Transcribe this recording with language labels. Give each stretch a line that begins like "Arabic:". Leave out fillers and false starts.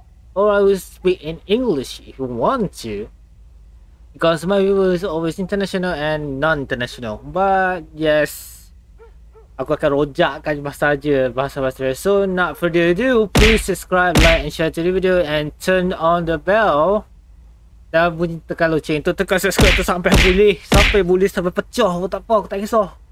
English: Or I will speak in English if you want to, because my viewers always international and non-international. But yes,
Malay: aku akan rojakkan bahasa-bahasa.
English: So, not further ado, please subscribe, like and share to the video and turn on the bell.
Malay: Dah bunyi tekan loceng tu, tekan subscribe tu sampai boleh. Sampai boleh, sampai pecah pun takpe, aku tak kisah.